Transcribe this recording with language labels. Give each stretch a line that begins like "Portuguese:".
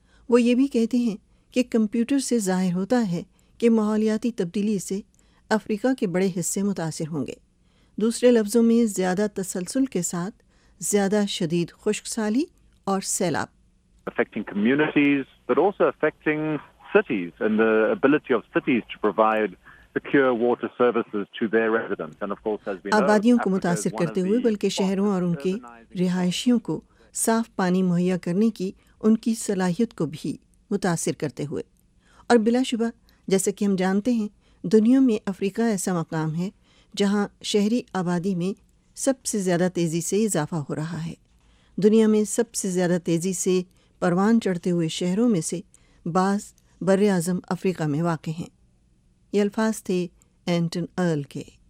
Urdu: وہ یہ بھی کہتے ہیں کہ کمپیوٹر سے ظاہر ہوتا ہے کہ ماحولیاتی تبدیلی سے افریقہ کے بڑے حصے متاثر ہوں گے، دوسرے لفظوں میں زیادہ تسلسل کے ساتھ زیادہ شدید خشک سالی اور سیلاب۔
English: Affecting communities, but also affecting cities and the ability of cities to provide secure water services to their residents. And of course, as we know,
Urdu: آبادیوں کو متاثر کرتے ہوئے بلکہ شہروں اور ان کے رہائشیوں کو صاف پانی مہیا کرنے کی ان کی صلاحیت کو بھی متاثر کرتے ہوئے۔ اور بلا شبہ جیسے کہ ہم جانتے ہیں، دنیا میں افریقہ ایسا مقام ہے جہاں شہری آبادی میں سب سے زیادہ تیزی سے اضافہ ہو رہا ہے۔ دنیا میں سب سے زیادہ تیزی سے پروان چڑھتے ہوئے شہروں میں سے بعض بر اعظم افریقہ میں واقع ہیں۔ یہ الفاظ تھے اینٹن ارل کے۔